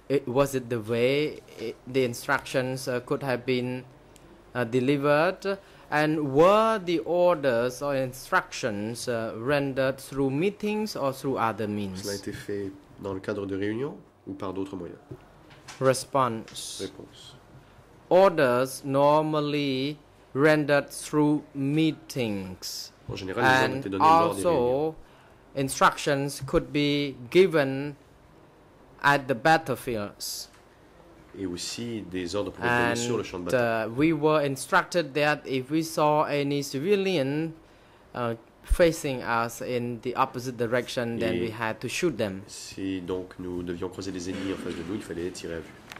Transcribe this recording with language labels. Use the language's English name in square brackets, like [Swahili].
[English] Was it the way the instructions could have been delivered? And were the orders or instructions rendered through meetings or through other means? [French] Cela a été fait dans le cadre de réunions ou par d'autres moyens? Réponse. [English] Orders normally rendered through meetings. [French] En général, les ordres étaient donnés lors des réunions. [English] And also, instructions could be given at the battlefields. [French] Et aussi des ordres pour donner sur le champ de bataille. [English] We were instructed that if we saw any civilian facing us in the opposite direction, [French] et [English] then we had to shoot them. [French] Si donc nous devions croiser des ennemis en face de nous, il fallait tirer à vue.